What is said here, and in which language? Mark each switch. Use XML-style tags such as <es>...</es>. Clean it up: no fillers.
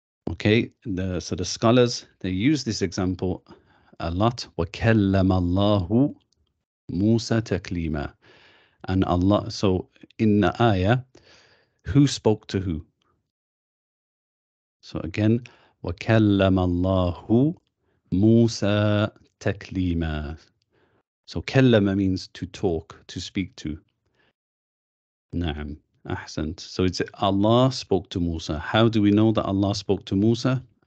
<en>Okay, so the scholars, they use this example a lot.</en> <ar>وَكَلَّمَ اللَّهُ مُوسَى تَكْلِيمًا.</ar> <en>And Allah, so in the ayah, who spoke to who? So again,</en> <ar>وَكَلَّمَ اللَّهُ مُوسَى تَكْلِيمًا.</ar> <en>So kallama means to talk, to speak to. Na'am, ahsant. So it's Allah spoke to Musa. How do we know that Allah spoke to Musa?</en>